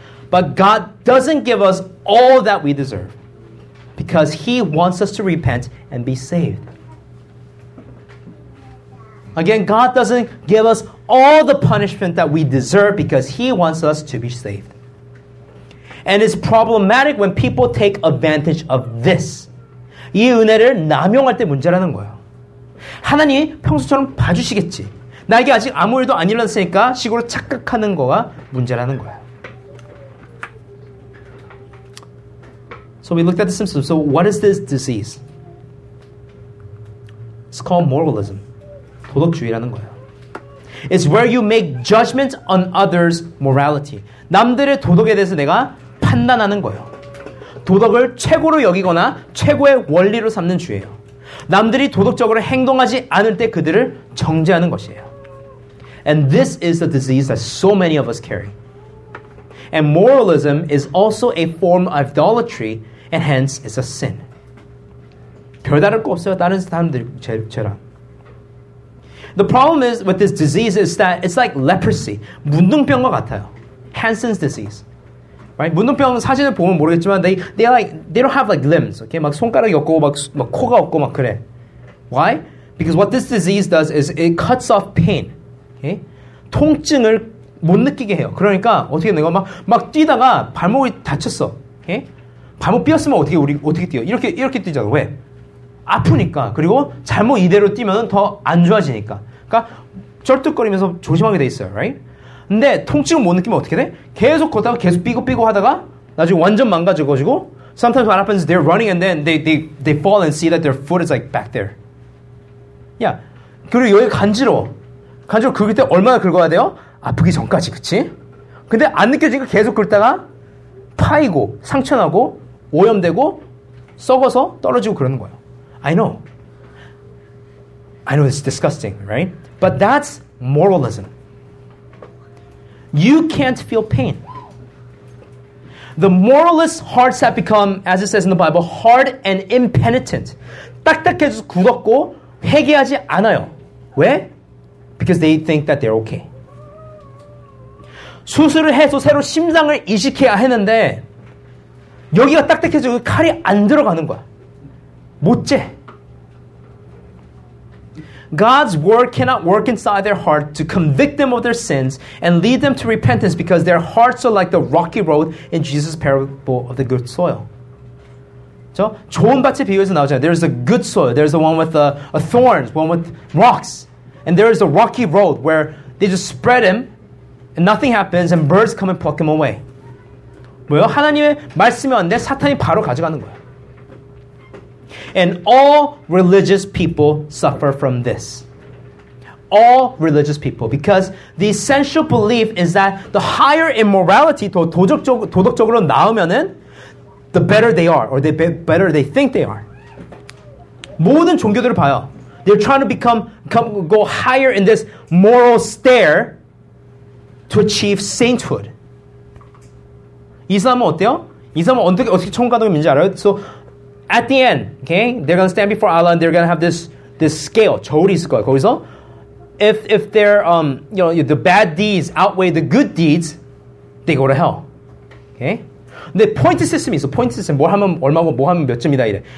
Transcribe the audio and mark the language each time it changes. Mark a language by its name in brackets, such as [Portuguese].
[English] But God doesn't give us all that we deserve because he wants us to repent and be saved. Again, God doesn't give us all the punishment that we deserve because he wants us to be saved. And it's problematic when people take advantage of this. [Korean] 이 은혜를 남용할 때 문제라는 거예요. 하나님이 평소처럼 봐주시겠지. 나에게 아직 아무 일도 안 일어났으니까 식으로 착각하는 거가 문제라는 거예요. [English] So we looked at the symptoms. So what is this disease? It's called moralism. [Korean] 도덕주의라는 거예요. [English] It's where you make judgment on others' morality. [Korean] 남들의 도덕에 대해서 내가 판단하는 거예요. 도덕을 최고로 여기거나 최고의 원리로 삼는 주의예요. 남들이 도덕적으로 행동하지 않을 때 그들을 정죄하는 것이에요. [English] And this is the disease that so many of us carry. And moralism is also a form of idolatry, and hence is a sin. [Korean] 별다를 거 없어요. 다른 사람들 저랑. [English] The problem is with this disease is that it's like leprosy. [Korean] 문둥병과 같아요. Hansen's disease. Right? 문둥병 사진을 보면 모르겠지만 [English] they don't have like limbs. Okay? [Korean] 막 손가락이 없고 막 코가 없고 막 그래. [English] Why? Because what this disease does is it cuts off pain. [Korean] Okay? 통증을 못 느끼게 해요. 그러니까 어떻게 내가 막 뛰다가 발목이 다쳤어. [English] Okay? [Korean] 발목 삐었으면 어떻게 뛰어? 이렇게 뛰잖아. 왜? 아프니까. 그리고 잘못 이대로 뛰면 더 안 좋아지니까. 그러니까 쩔뚝거리면서 조심하게 돼 있어요. [English] Right? [Korean] 근데 통증을 못 느끼면 어떻게 돼? 계속 걷다가 계속 삐고 하다가 나중에 완전 망가져가지고 [English] Sometimes what happens is they're running and then they fall and see that their foot is like back there. Yeah. [Korean] 그리고 여기 간지러워. 긁을 때 얼마나 긁어야 돼요? 아프기 전까지, 그치? 근데 안 느껴지니까 계속 긁다가 파이고, 상처나고, 오염되고, 썩어서 떨어지고 그러는 거예요. [English] I know it's disgusting, right? But that's moralism. You can't feel pain. The moralist's hearts have become, as it says in the Bible, hard and impenitent. [Korean] 딱딱해져서 굳었고, 회개하지 않아요. [English] 왜? Because they think that they're okay. [Korean] 수술을 해서 새로 심장을 이식해야 했는데 여기가 딱딱해져서 칼이 안 들어가는 거야. 못 째. [English] God's word cannot work inside their heart to convict them of their sins and lead them to repentance because their hearts are like the rocky road in Jesus' parable of the good soil. [Korean] 좋은 밭의 비유에서 나오잖아요. [English] There's a good soil. There's the one with a thorns, one with rocks. And there is a rocky road where they just spread him and nothing happens and birds come and pluck him away. [Korean] 뭐요? 하나님의 말씀이 왔는데 사탄이 바로 가져가는 거예요. [English] And all religious people suffer from this. All religious people. Because the essential belief is that the higher immorality, [Korean] 도덕적으로 나오면은 [English] the better they are, or the better they think they are. [Korean] 모든 종교들을 봐요. [English] They're trying to go higher in this moral stair to achieve sainthood. [Korean] 이 사람은 어때요? 이 사람은 어떻게 천국 가는 건지 알아요? [English] So, at the end, okay, they're going to stand before Allah and they're going to have this scale, [Korean] 저울이 있을 거예요, 거기서. [English] If they're, the bad deeds outweigh the good deeds, they go to hell. Okay? [Korean] 근데 포인트 시스템이 있어. 포인트 시스템 뭘 하면 얼마고 뭐 하면 몇 점이다 이래.